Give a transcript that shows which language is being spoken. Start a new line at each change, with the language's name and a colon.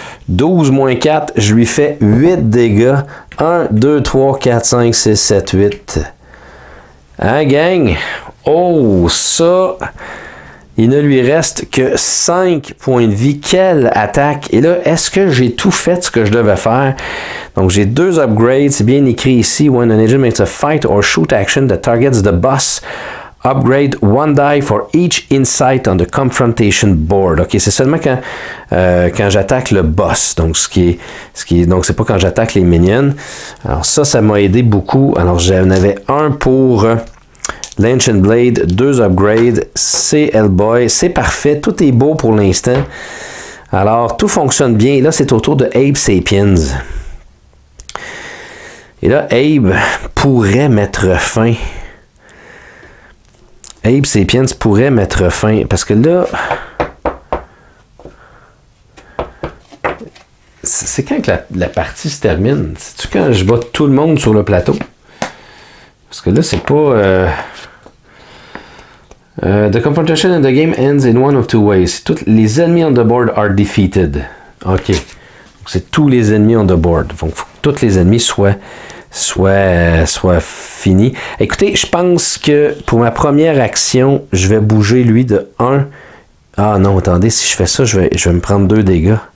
French: 12 moins 4, je lui fais 8 dégâts. 1, 2, 3, 4, 5, 6, 7, 8. Hein, gang? Oh, ça! Il ne lui reste que 5 points de vie. Quelle attaque! Et là, est-ce que j'ai tout fait ce que je devais faire? Donc, j'ai 2 upgrades. C'est bien écrit ici.
English: When an agent makes a fight or shoot action that targets the boss... Upgrade one die for each insight on the confrontation board.
French: Ok, c'est seulement quand j'attaque le boss. Donc, donc c'est pas quand j'attaque les minions. Alors, ça m'a aidé beaucoup. Alors, j'en avais un pour l'Ancient Blade, 2 upgrades. C'est Hellboy. C'est parfait. Tout est beau pour l'instant. Alors, tout fonctionne bien. Et là, c'est au tour de Abe Sapiens. Et là, Abe pourrait mettre fin. Abe Sapiens pourrait mettre fin. Parce que là... C'est quand que la partie se termine? C'est-tu quand je bats tout le monde sur le plateau? Parce que là, c'est pas...
English: The confrontation in the game ends in one of two ways.
French: Toutes les ennemis
English: on the board are defeated.
French: OK. Donc, c'est tous les ennemis
English: on the board.
French: Donc, il faut que tous les ennemis soient... Soit fini. Écoutez, je pense que pour ma première action, je vais bouger lui de 1. Ah non, attendez, si je fais ça, je vais me prendre 2 dégâts.